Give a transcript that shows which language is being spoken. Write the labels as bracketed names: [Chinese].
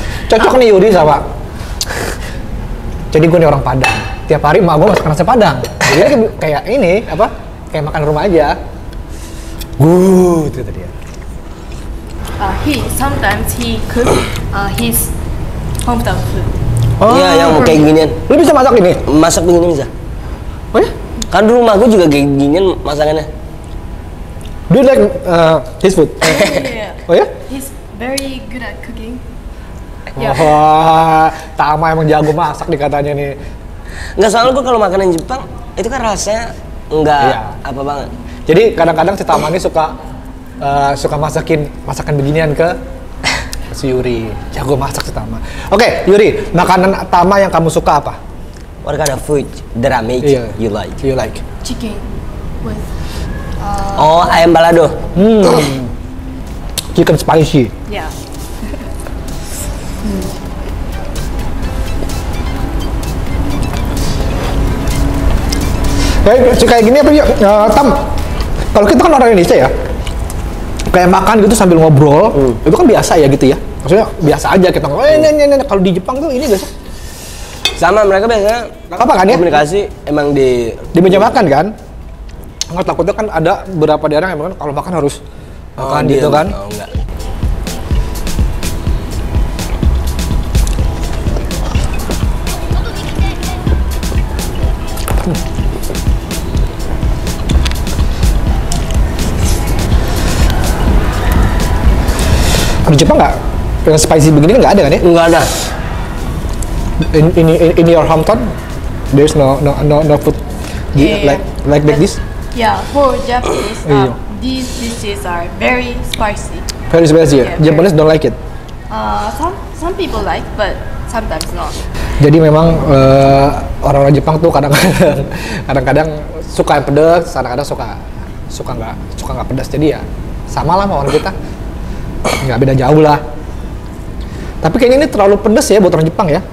[Indonesian] Cocok nih Yuri sama. Jadi gue nih orang Padang. Tiap hari emak gue masakan nasi Padang. Jadi kayak ini apa? Kayak makan rumah aja. Good itu dia. [English] Sometimes he cook his hometown food. [Indonesian] Oh, iya, yang kayak gini. Lu bisa masak ini? Masak begini bisa. Oh ya? Kan rumah gua juga kayak gini masakannya. [English] Do you like his food? Yeah. [Indonesian] Oh ya? [English] He's very good at cooking. [Indonesian] Yeah. Wah, Tama emang jago masak dikatanya nih. Enggak, soalnya gua kalau makanan Jepang itu kan rasanya enggak apa banget. Jadi kadang-kadang si Tama ini suka suka masakin masakan beginian ke si Yuri. Jago masak si Tama. Oke, okay, Yuri, makanan Tama yang kamu suka apa? [English] What kind of food that I make you like? You like chicken with [Indonesian] ayam balado. [English] Chicken spicy. Yeah. [Indonesian] Hey, kayak gini apa ya? Tam. Kalau kita kan orang Indonesia ya. Kayak makan gitu sambil ngobrol, itu kan biasa ya gitu ya. Maksudnya biasa aja kita ngobrol. Ini. Kalau di Jepang tuh ini biasa. Sama mereka biasa. Apa kan ya? Komunikasi emang di meja makan kan? Enggak takutnya kan ada beberapa daerah emang kan kalau makan harus makan gitu kan? Oh, enggak. Di Jepang enggak yang spicy begini enggak ada kan ya? Enggak ada. [English] In your hometown there's no food like this. Yeah, for Japanese, these dishes are very spicy. Very spicy. Yeah, Japanese don't like it. Some people like, but sometimes not. [Indonesian] Jadi memang orang-orang Jepang tuh kadang-kadang suka yang pedas, kadang-kadang suka nggak pedas. Jadi ya sama lah sama orang kita, nggak beda jauh lah. Tapi kayaknya ini terlalu pedas ya buat orang Jepang ya.